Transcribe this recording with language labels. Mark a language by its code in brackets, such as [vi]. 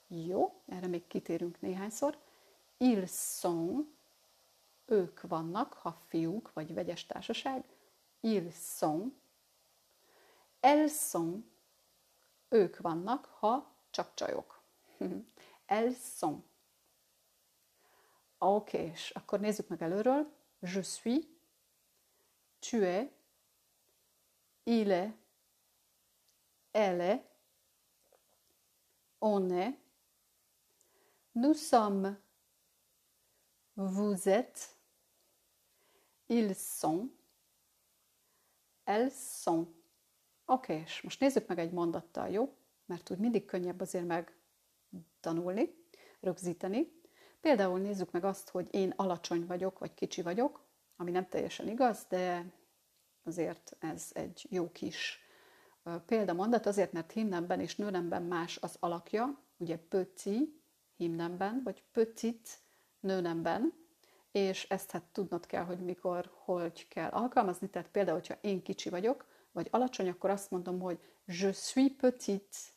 [hu] Jó, erre még kitérünk néhányszor. [fr] Ils sont, [hu] ők vannak, ha fiúk, vagy vegyes társaság. Ils sont. [fr] Elles sont, [hu] ők vannak, ha csak csajok. Elles sont. Oké, okay, és akkor nézzük meg előről. [fr] Je suis, tu es, il est, elle est, on est, nous sommes, vous êtes, ils sont, elles sont. [hu] Oké, okay, és most nézzük meg egy mondattal, jó? Mert úgy mindig könnyebb azért megtanulni, rögzíteni. Például nézzük meg azt, hogy én alacsony vagyok, vagy kicsi vagyok, ami nem teljesen igaz, de azért ez egy jó kis példamondat, azért, mert himnemben és nőnemben más az alakja, ugye petit himnemben, vagy petit nőnemben, és ezt hát tudnod kell, hogy mikor, hogy kell alkalmazni, tehát például, hogyha én kicsi vagyok, vagy alacsony, akkor azt mondom, hogy [fr] je suis petit.